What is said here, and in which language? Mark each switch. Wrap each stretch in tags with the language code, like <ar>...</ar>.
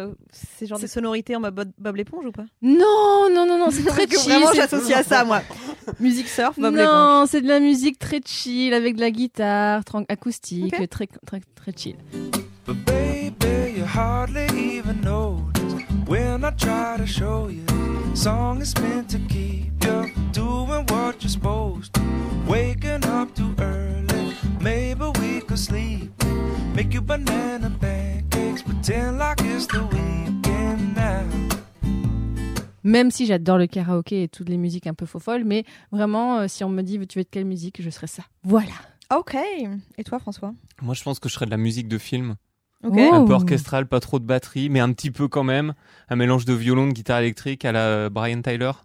<fr>C'est genre des sonorités en mode Bob l'éponge ou pas? Non, c'est très chill. Vraiment, j'associe à ça, moi. Musique surf, Bob l'éponge. Non, c'est de la musique très chill avec de la guitare acoustique, okay. très chill.</fr> <en>But baby, you hardly even notice when I try to show you. Song is meant to keep you doing what you're supposed to. Waking up too early, maybe we could sleep. Make you banana pancakes, pretend like it's the weekend now.</en> <fr>Même si j'adore le karaoké et toutes les musiques un peu fofolles, mais vraiment, si on me dit, veux-tu être quelle musique, je serais ça. Voilà. Ok. Et toi, François? Moi, je pense que je serais de la musique de film. Okay. Un peu orchestral, pas trop de batterie, mais un petit peu quand même. Un mélange de violon, de guitare électrique à la Brian Tyler.</fr>